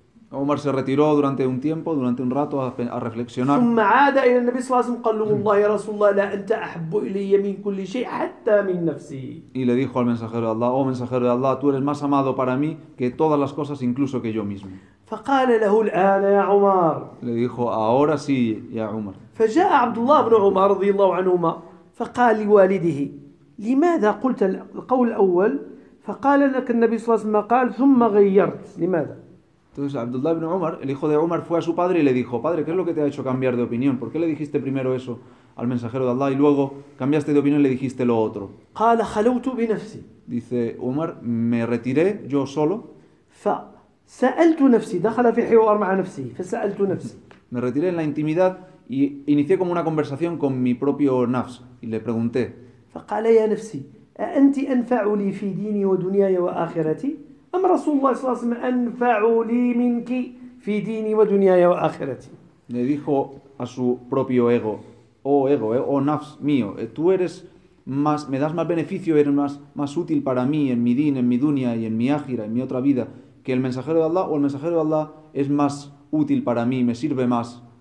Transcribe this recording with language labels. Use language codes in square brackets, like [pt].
[es] Umar se retiró durante un tiempo, durante un rato, a reflexionar. Y le dijo al mensajero de Allah: oh mensajero de Allah, tú eres más amado para mí que todas las cosas, incluso que yo mismo. [ar] فقال له الآن يا عمر. [es] Le dijo: ahora sí, ya Umar. [ar] فجاء عبد الله بن عمر رضي الله عنهما فقال لوالده لماذا قلت القول الأول؟ فقال لك النبي صلى الله عليه وسلم قال ثم غيرت لماذا؟ [es] Entonces Abdullah ibn Umar, el hijo de Umar, fue a su padre y le dijo: padre, ¿qué es lo que te ha hecho cambiar de opinión? ¿Por qué le dijiste primero eso al mensajero de Allah y luego cambiaste de opinión y le dijiste lo otro? [ar] قال خلوت بنفسي. [es] Dice Umar: me retiré yo solo. [ar] فسألت نفسي. دخل في حوار مع نفسي. فسألت نفسي. [es] Me retiré en la intimidad y inicié como una conversación con mi propio nafs y le pregunté. [ar] فقال يا نفسي أأنت أنفع لي في ديني ودنياي وآخرتي أم رسول الله صلى الله عليه وسلم أنفع لي منك في ديني ودنياي وآخرتي. [es] Le dijo a su propio ego: oh ego, oh nafs mío, tú eres más, me das más beneficio, eres más útil para mí en mi din, en mi dunya y en mi ajira, en mi otra vida, que el mensajero de Allah, o el mensajero de Allah es más útil para mí, me sirve más